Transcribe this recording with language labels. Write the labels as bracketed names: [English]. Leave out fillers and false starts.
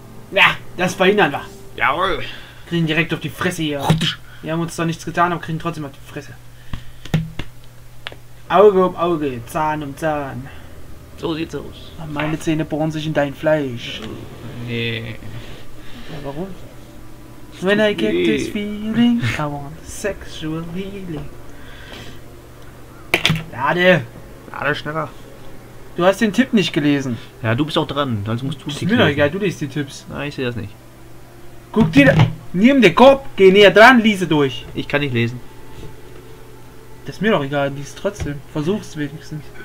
[German] Ja, das verhindern wir. Jawohl. Direkt auf die Fresse hier. Wir haben uns da nichts getan, aber kriegen trotzdem auf die Fresse. Auge um Auge, Zahn um Zahn. So sieht's aus. Meine Zähne bohren sich in dein Fleisch. Nee. Ja, warum? [English] When I get this feeling, I want sexual healing. [German] Lade! Lade schneller. Du hast den Tipp nicht gelesen. Ja, du bist auch dran, also musst du sie lesen. Ist mir doch egal, du liest die Tipps. Nein, ich sehe das nicht. Guck dir da, nimm den Kopf, geh näher dran, liese durch. Ich kann nicht lesen. Das ist mir doch egal, lies trotzdem. Versuch's wenigstens.